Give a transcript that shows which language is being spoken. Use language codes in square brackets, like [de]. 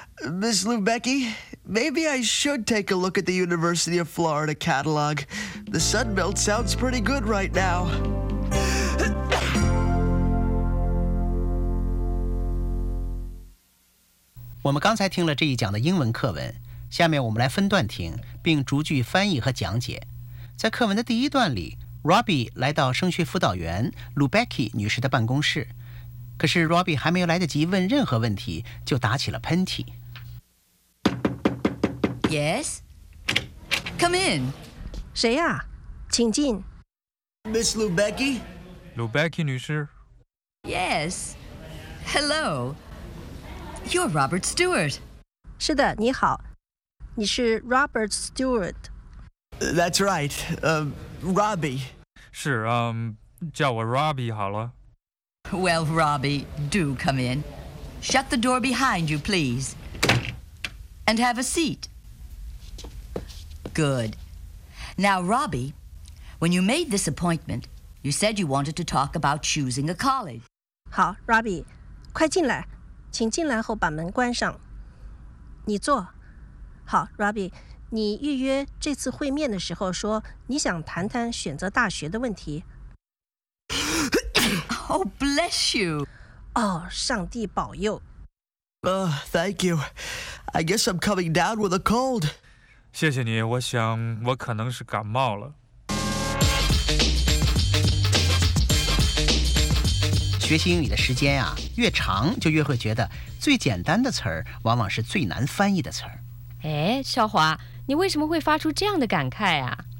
[en] Miss Lubecki, maybe I should take a look at the University of Florida catalog. The Sunbelt sounds pretty good right now. We just listened to this English lesson. Next, let's listen to the sentence and translate the sentences. In the first part of the lesson, [zh] Robbie 来到升学辅导员 Lubecki 女士的办公室，可是 Robbie 还没有来得及问任何问题，就打起了喷嚏。 [en] Yes? Come in. [zh] 谁呀？请进。 [en] Miss Lubecki? [zh] Lubecki 女士。 [en] Yes. Hello. You're Robert Stewart. [zh] 是的，你好。你是 Robert Stewart。 [en] That's right. Robbie. [zh] 是，叫我 Robbie 好了。 [en] Well, Robbie, do come in. Shut the door behind you, please. And have a seat. Good. Now, Robbie, when you made this appointment, you said you wanted to talk about choosing a college. [zh] 好 ,Robbie, 快进来。请进来后把门关上。你坐。好 ,Robbie,你预约这次会面的时候说你想谈谈选择大学的问题。 [en] Oh, bless you. [zh] 哦、oh, 上帝保佑。 [en] Thank you. I guess I'm coming down with a cold. [zh] 谢谢你，我想我可能是感冒了。学习英语的时间啊，越长就越会觉得最简单的词儿往往是最难翻译的词儿。哎，少华，你为什么会发出这样的感慨啊？